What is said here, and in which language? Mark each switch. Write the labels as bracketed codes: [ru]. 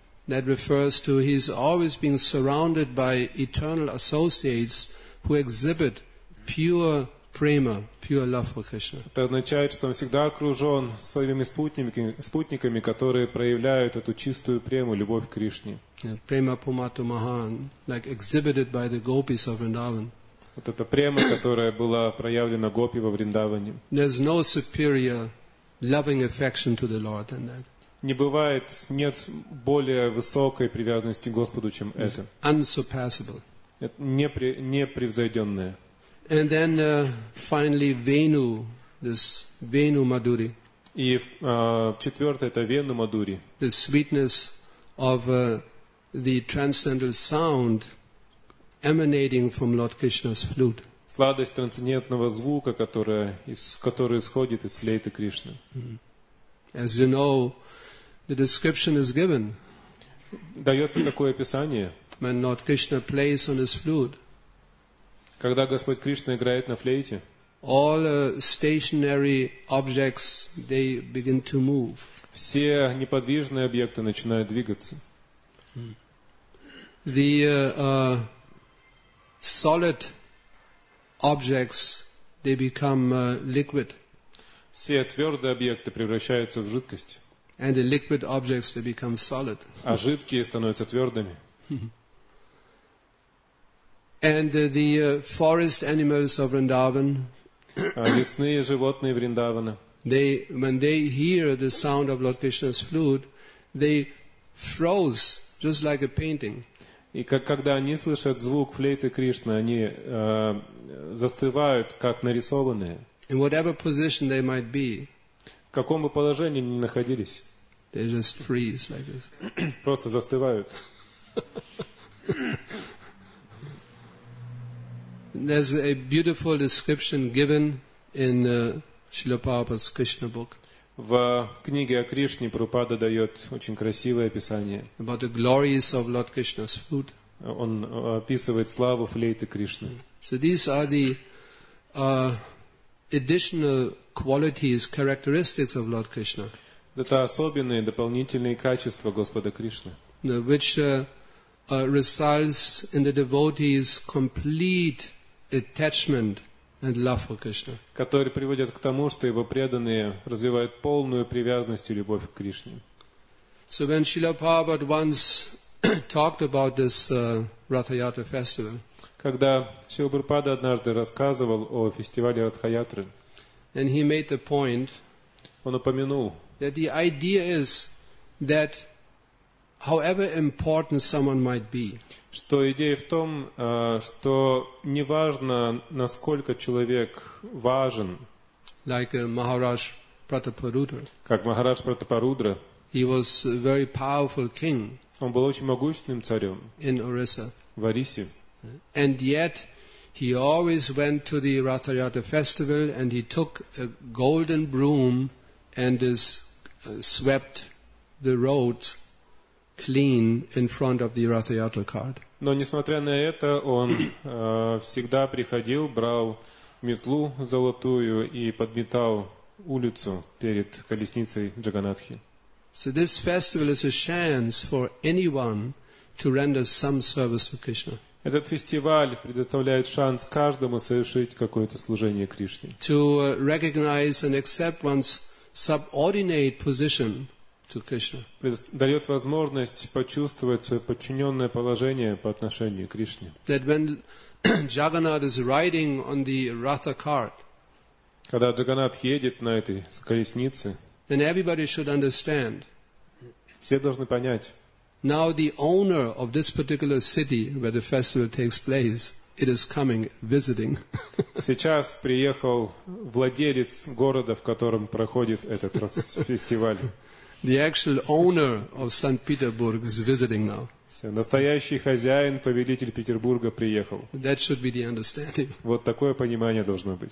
[en] That refers to he's always being surrounded by eternal associates who exhibit pure prema, pure love for Krishna. [ru] Это означает, что он всегда окружен своими спутниками, которые проявляют эту чистую прему, любовь к Кришне. [sa] Prema pumato mahan, [en] like exhibited by the gopis of Vrindavan. [ru] Вот эта према, которая была проявлена гопи во Вриндаване. [en] There's no superior loving affection to the Lord than that. [ru] Не бывает, нет более высокой привязанности к Господу, чем это. [en] Unsurpassable. [ru] Непревзойденное. [en] And then finally Venu, this Venu Madhuri. [ru] И четвертое это Venu Madhuri. [en] The sweetness of the transcendental sound emanating from Lord Krishna's flute. [ru] Сладость трансцендентного звука, который исходит из флейты Кришны. [en] As you know, the description is given. [ru] Дается такое описание. [en] When Lord Krishna plays on his flute. [ru] Когда Господь Кришна играет на флейте, [en] all stationary objects, they begin to move. [ru] Все неподвижные объекты начинают двигаться. [en] The solid objects, they become liquid. [ru] Все твердые объекты превращаются в жидкость. [en] And the liquid objects, they become solid. [ru] А жидкие становятся твердыми. [en] And the forest animals of Vrindavan. [ru] Лесные животные Вриндавана. [en] They, when they hear the sound of Lord Krishna's flute, they froze just like a painting. [ru] И когда они слышат звук флейты Кришны, они застывают, как нарисованные. [en] In whatever position they might be. [ru] В каком бы положении они находились. [en] They just freeze like this. [ru] Просто застывают. [en] There's a beautiful description given in Srila Prabhupada's Krishna book. [ru] В книге о Кришне Прабхупада дает очень красивое описание. [en] About the glories of Lord Krishna's flute. [ru] Он описывает славу флейты Кришны. [en] So these are the additional qualities, characteristics of Lord Krishna. [ru] Это особенные дополнительные качества Господа Кришны. [en] Which results in the devotee's complete attachment and love for Krishna. [ru] Которые приводят к тому, что его преданные развивают полную привязанность и любовь к Кришне. [en] So when Srila Prabhupada once talked about this Ratha-yatra festival, [ru] когда Srila Prabhupada однажды рассказывал о фестивале Ратха-ятры, [en] and he made the point, [ru] он упомянул, [en] that the idea is that however important someone might be, [ru] что идея в том, что неважно, насколько человек важен, [en] like Maharaj Prataparudra, [ru] как Махарадж Пратапарудра, [en] he was a very powerful king, [ru] он был очень могущественным царем [en] in Orissa, [ru] в Орисе, [en] and yet he always went to the Ratha-yatra festival and he took a golden broom and swept the roads clean in front of the Ratha-yatra cart. [ru] Но несмотря на это, он всегда приходил, брал метлу золотую и подметал улицу перед колесницей Джаганатхи. [en] So this festival is a chance for anyone to render some service to Krishna. [ru] Этот фестиваль предоставляет шанс каждому совершить какое-то служение Кришне. [en] To recognize and accept one's subordinate position to Krishna. [ru] Дает возможность почувствовать свое подчиненное положение по отношению к Кришне. [en] That when Jagannath is riding on the Ratha cart, [ru] Когда Джаганнат едет на этой колеснице, [en] then everybody should understand. [ru] Все должны понять. [en] Now the owner of this particular city where the festival takes place, it is coming visiting. [ru] Сейчас приехал владелец города, в котором проходит этот фестиваль. [en] The actual owner of St. Petersburg is visiting now. [ru] Настоящий хозяин, повелитель Петербурга приехал. [en] That should be the understanding. [ru] Вот такое понимание должно быть.